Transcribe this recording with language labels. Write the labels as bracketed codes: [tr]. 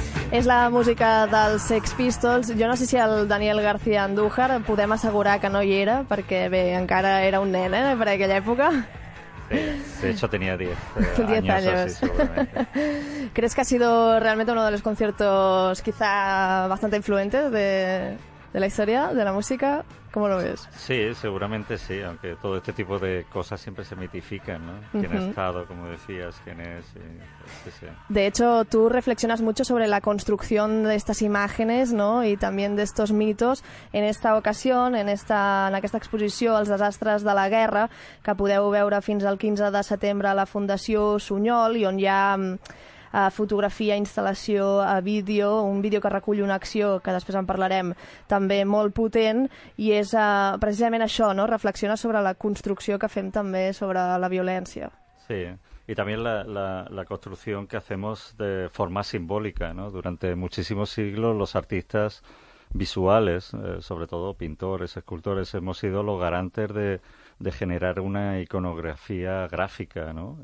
[ca] És la música dels Sex Pistols. Jo no sé si el Daniel García Andújar podem assegurar que no hi era, perquè bé, encara era un nen, per aquella època. [es] Sí, de hecho tenía 10 años. Así, ¿crees que ha sido realmente uno de los conciertos quizá bastante influentes de la historia, de la música? ¿Cómo lo ves? Sí, seguramente sí, aunque todo este tipo de cosas siempre se mitifican, ¿no? ¿Quién ha estado, como decías, quién es? Y, pues, sí, sí. De hecho, tú reflexionas mucho sobre la construcción de estas imágenes, ¿no? Y también de estos mitos en esta ocasión, [ca] en aquesta exposició, Els desastres de la guerra, que podeu veure fins al 15 de setembre a la Fundació Suñol, i on hi ha fotografia, instal·lació, vídeo, un vídeo que recull una acció que després en parlarem, també molt potent, i és precisament això, no? Reflexiona sobre la construcció que fem també sobre la violència. [es] Sí, y también la construcción que hacemos de forma simbólica, ¿no? Durante muchísimos siglos los artistas visuales, sobre todo pintores, escultores, hemos sido los garantes de generar una iconografía gráfica, ¿no?